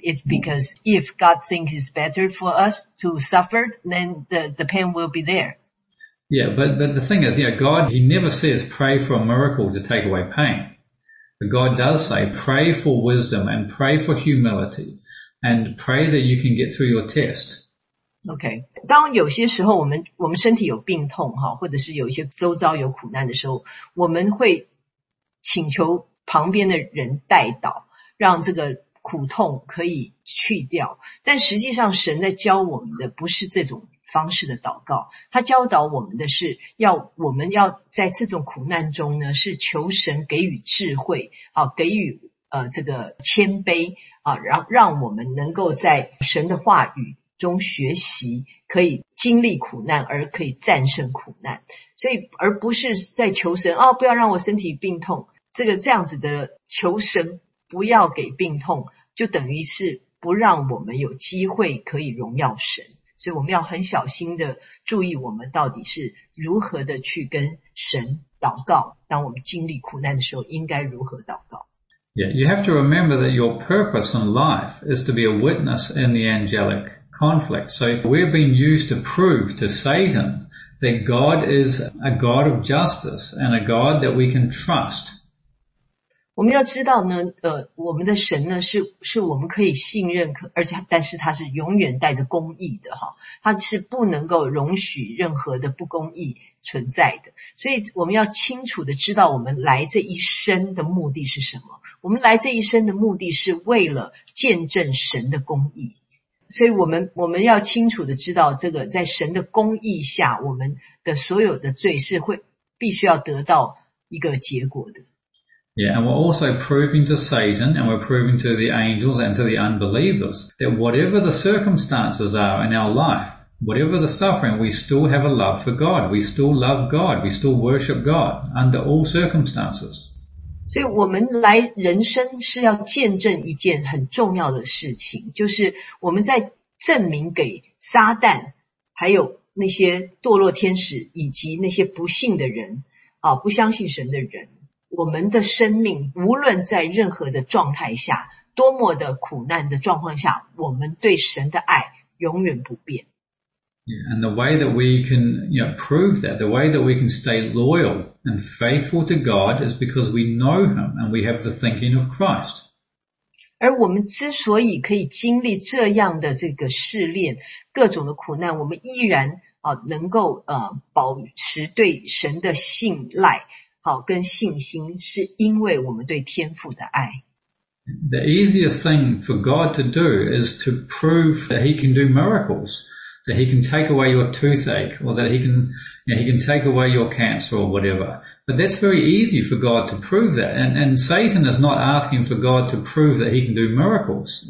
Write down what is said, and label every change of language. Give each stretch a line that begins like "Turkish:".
English: It's because if God thinks it's better for us to suffer, then the pain will be there. Yeah, but the thing is, yeah, God, he never says pray for a miracle to take away pain. God does say, pray for wisdom and pray for humility and pray that you can get through your test. Okay.
Chinese: 当有些时候我们身体有病痛或者是有一些周遭有苦难的时候，我们会请求旁边的人代祷，让这个苦痛可以去掉。但实际上神在教我们的不是这种方式的祷告，他教导我们的是要我们要在这种苦难中呢，是求神给予智慧，给予这个谦卑，让我们能够在神的话语中学习，可以经历苦难而可以战胜苦难，所以而不是在求神不要让我身体病痛，这样子的求神不要给病痛，就等于是不让我们有机会可以荣耀神。所以我们要很小心的注意我们到底是如何的去跟神祷告，当我们经历苦难的时候应该如何祷告。
English: Yeah, you have to remember that your purpose in life is to be a witness in the angelic conflict. So we're being used to prove to Satan that God is a God of justice and a God that we can trust.
Chinese: 我们要知道呢我们的神呢是我们可以信任，而且但是他是永远带着公义的齁，他是不能够容许任何的不公义存在的。所以我们要清楚的知道我们来这一生的目的是什么。我们来这一生的目的是为了见证神的公义。所以我们要清楚的知道，这个在神的公义下，我们的所有的罪是会必须要得到一个结果的。
English: Yeah, and we're also proving to Satan, and we're proving to the angels and to the unbelievers that whatever the circumstances are in our life, whatever the suffering, we still have a love for God. We still love God. We still worship God under all circumstances.
Chinese: 所以我们来人生是要见证一件很重要的事情，就是我们在证明给撒旦，还有那些堕落天使，以及那些不信的人，啊，不相信神的人，我们的生命无论在任何的状态下，多么的苦难的状况下，我们对神的爱永远不变。
English: Yeah, and the way that we can, you know, prove that, the way that we can stay loyal and faithful to God is because we know Him and we have the thinking of Christ.
Chinese: 而我们之所以可以经历这样的这个试炼，各种的苦难，我们依然能够保持对神的信赖。好，跟信心，是因为我们对天父的爱。
English: The easiest thing for God to do is to prove that He can do miracles, that He can take away your toothache, or that He can take away your cancer or whatever. But that's very easy for God to prove that. And Satan is not asking for God to prove that He can do miracles.